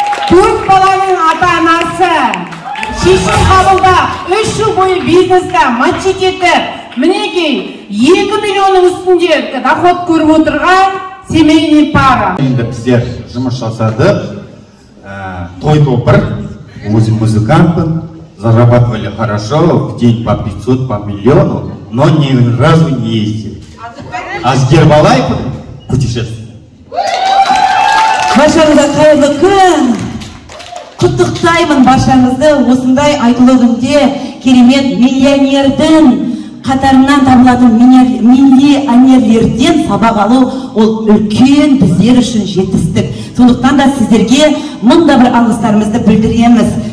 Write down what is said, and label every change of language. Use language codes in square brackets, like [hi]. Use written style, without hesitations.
[kk] Төрт баланың ата-анасы шешім қабылдап, 3 жыл бойы бизнесті мотив етіп, мінекей 2 миллионның үстінде доход көріп отырған [ru] семейный [kk] пара. Енді біздер жұмыс жасадық, той топыр. [ru] Мы музыканты, зарабатывали хорошо, в день по 500, по миллиону, но ни разу не ездили. А с Гербалайфом путешествовали. [kk] Башаңызды қайырлы күн! Құттықтаймын башаңызды осындай айтулы күнде керемет миллионердің қатарынан табылатын миллионерлерден сабақ алу ол үлкен біздер үшін жетістік. Сондықтан да сіздерге мұнда бір алғыстарымызды білдіреміз.